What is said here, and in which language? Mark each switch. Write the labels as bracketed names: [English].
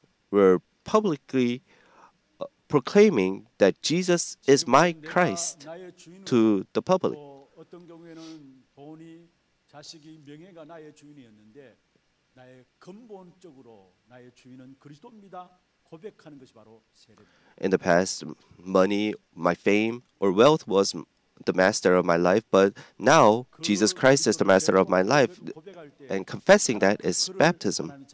[English] We're publicly proclaiming that Jesus is my Christ to the public. [Korean] 어떤 경우에는 돈이 자식이 명예가 나의 주인이었는데 나의 근본적으로 나의 주인은 그리스도입니다. 고백하는 것이 바로 세례. [English] In the past, money, my fame, or wealth was the master of my life, but now Jesus Christ is the master of my life, and confessing that is baptism.